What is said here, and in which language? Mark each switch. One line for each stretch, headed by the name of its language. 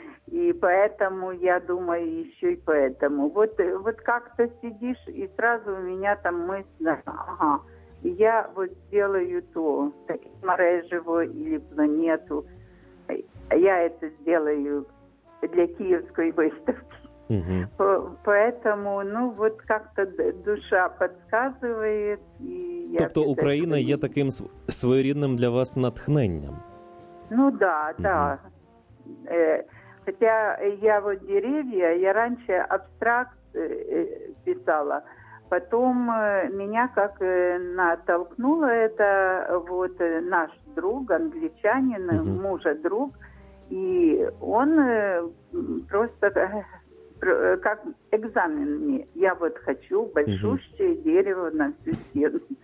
Russian: И поэтому, я думаю, еще и поэтому. Вот как-то сидишь, и сразу у меня там мысль, ага. Я вот сделаю то, мережево или планету, я это сделаю для киевской выставки. Поэтому, вот как-то душа подсказывает. И я
Ukrainian: тобто Украина є таким своєрідним для вас натхненням?
Russian: Ну да, да. Хотя я вот деревья, я раньше абстракт писала. Потом меня как натолкнуло это вот наш друг, англичанин, мужа друг, и он просто как экзамен мне, я вот хочу большущее дерево на всю стену.